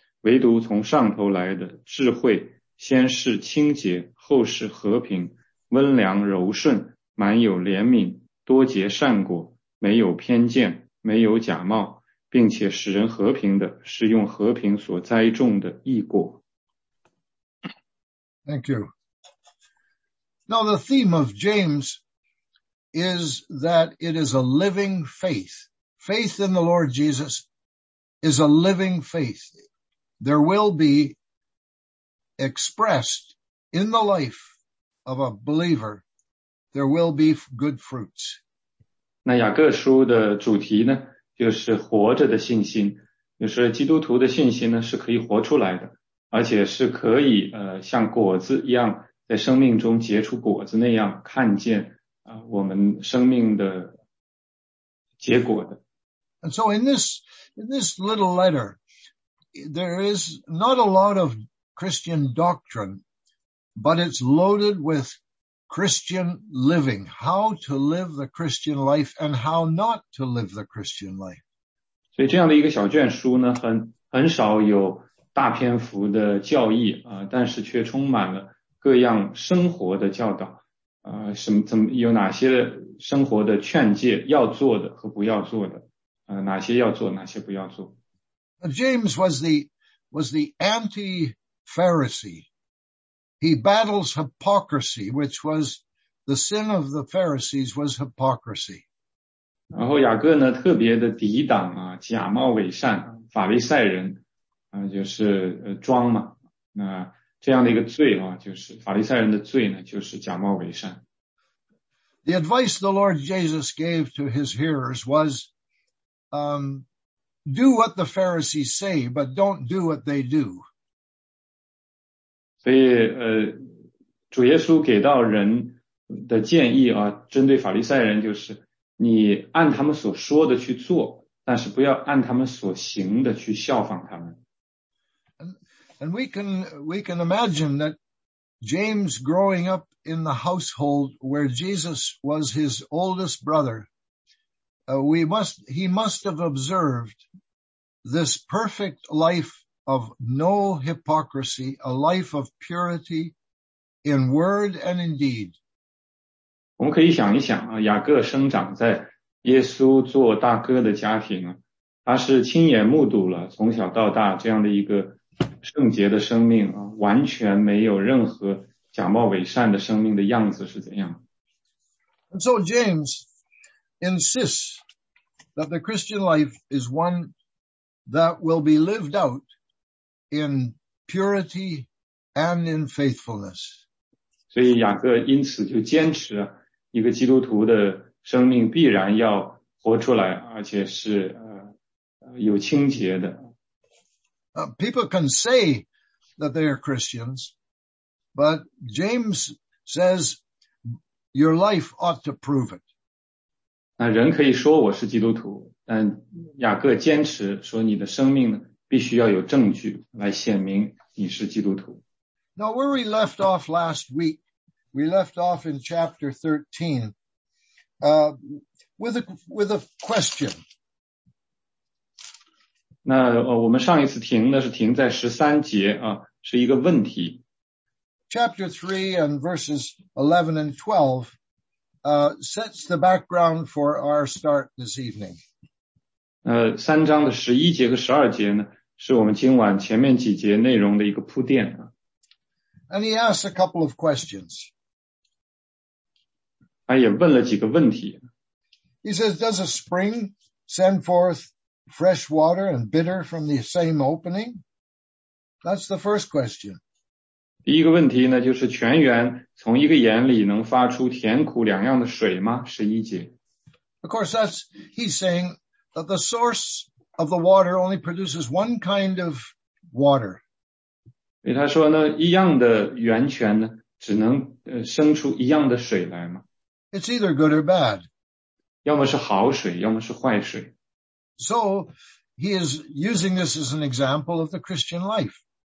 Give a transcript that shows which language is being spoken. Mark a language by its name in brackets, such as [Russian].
[Chinese] 唯独从上头来的智慧，先是清洁，后是和平，温良柔顺，满有怜悯，多结善果，没有偏见，没有假冒，并且使人和平的，是用和平所栽种的义果。 [English] Thank you. Now the theme of James is that it is a living faith. Faith in the Lord Jesus is a living faith. There will be expressed in the life of a believer, there will be good fruits. [Chinese] 那雅各书的主题呢，就是活着的信心，就是基督徒的信心呢，是可以活出来的，而且是可以像果子一样，在生命中结出果子那样，看见我们生命的结果的。 [English] And so in this little letter, there is not a lot of Christian doctrine, but it's loaded with Christian living, how to live the Christian life and how not to live the Christian life. [Chinese] 所以这样的一个小卷书呢，很少有大篇幅的教义啊，但是却充满了各样生活的教导。有哪些生活的劝诫，要做的和不要做的，哪些要做，哪些不要做。 [English] James was the anti-Pharisee. He battles hypocrisy, which was the sin of the Pharisees was hypocrisy. [Chinese] 然后雅各呢特别的抵挡啊假冒伪善法利赛人就是装嘛。那这样的一个罪啊就是法利赛人的罪呢就是假冒伪善。 [English] The advice the Lord Jesus gave to his hearers was, do what the Pharisees say, but don't do what they do. [Chinese] 所以主耶稣给到人的建议啊，针对法利赛人就是你按他们所说的去做，但是不要按他们所行的去效仿他们。 [English] And we can imagine that James growing up in the household where Jesus was his oldest brother, he must have observed this perfect life of no hypocrisy, a life of purity, in word and in deed. [Chinese] 我们可以想一想啊，雅各生长在耶稣做大哥的家庭啊，他是亲眼目睹了从小到大这样的一个圣洁的生命啊，完全没有任何假冒伪善的生命的样子是怎样。 [English] And so James insists that the Christian life is one that will be lived out in purity and in faithfulness. [Chinese] 所以雅各因此就坚持一个基督徒的生命必然要活出来，而且是有清洁的。 [English] People can say that they are Christians, but James says your life ought to prove it. [Chinese] 那人可以说我是基督徒，但雅各坚持说你的生命必须要有证据来显明你是基督徒。 [English] Now where we left off last week, we left off in chapter 13, with a question. [Chinese] 那我们上一次停呢是停在13节啊，是一个问题。 [English] Chapter 3 and verses 11 and 12 sets the background for our start this evening. [Chinese] 三章的十一节和十二节呢，是我们今晚前面几节内容的一个铺垫啊。 [English] And he asks a couple of questions. [Chinese] 他也问了几个问题。 [English] He says, does a spring send forth fresh water and bitter from the same opening? That's the first question. [Chinese] 第一个问题呢，就是泉源从一个眼里能发出甜苦两样的水吗？十一节。 [English] Of course, that's, he's saying that the source of the water only produces one kind of water. [Chinese] 所以他说呢，一样的源泉呢，只能生出一样的水来吗？ [English] It's either good or bad. [Chinese] 要么是好水，要么是坏水。 [English] So, he is using this as an example of the Christian life.